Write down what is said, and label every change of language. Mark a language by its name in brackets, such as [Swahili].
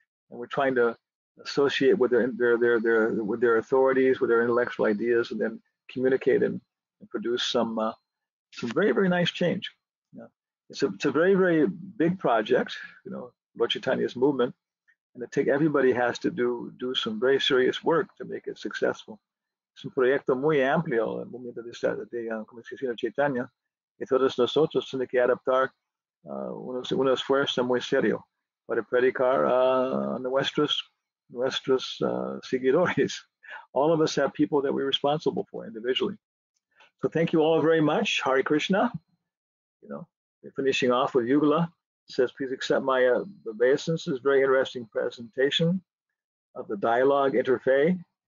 [English] And we're trying to associate with their with their authorities, with their intellectual ideas, and then communicate and produce some very, very nice change. Yeah. It's a very, very big project, you know, Lord Chaitanya's movement. And I think everybody has to do some very serious work to make it successful. [Spanish] Es un proyecto muy amplio, el movimiento de Comisión de Chaitanya, y todos nosotros tenemos que adaptar un esfuerzo muy serio para predicar nuestros seguidores. [English] All of us have people that we're responsible for individually. So thank you all very much. Hare Krishna. You know, finishing off with Yugala, says, please accept my obeisance. This is a very interesting presentation of the dialogue interfaith.